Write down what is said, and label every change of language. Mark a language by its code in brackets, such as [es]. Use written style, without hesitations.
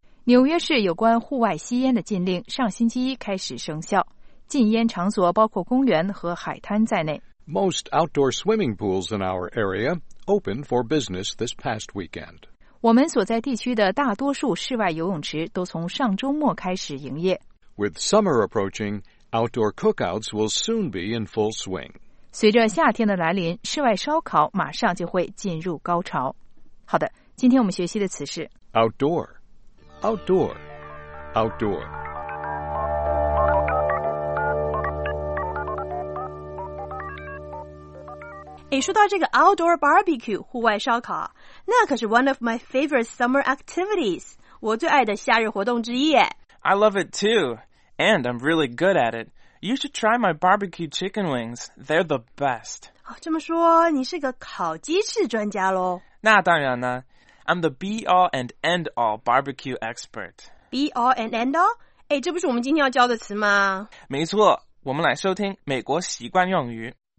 [zh] 纽约市有关户外吸烟的禁令上星期一开始生效。禁烟场所包括公园和海滩在内。 [en] Most outdoor swimming pools in our area opened for business this past weekend. [zh] 我们所在地区的大多数室外游泳池都从上周末开始营业。 [en] With summer approaching, outdoor cookouts will soon be in full swing. [zh] 随着夏天的来临，室外烧烤马上就会进入高潮。好的，今天我们学习的词是 [en] outdoor, outdoor, outdoor. [zh] 诶，说到这个 outdoor barbecue 户外烧烤，那可是 [en] one of my favorite summer activities， [zh] 我最爱的夏日活动之一。 [en] I love it too, and I'm really good at it. You should try my barbecue chicken wings; they're the best. [zh] 哦，这么说你是个烤鸡翅专家咯？那当然呢 [en] ，I'm the be all and end all barbecue expert. Be all and end all？ [zh] 诶，这不是我们今天要教的词吗？没错，我们来收听美国习惯用语。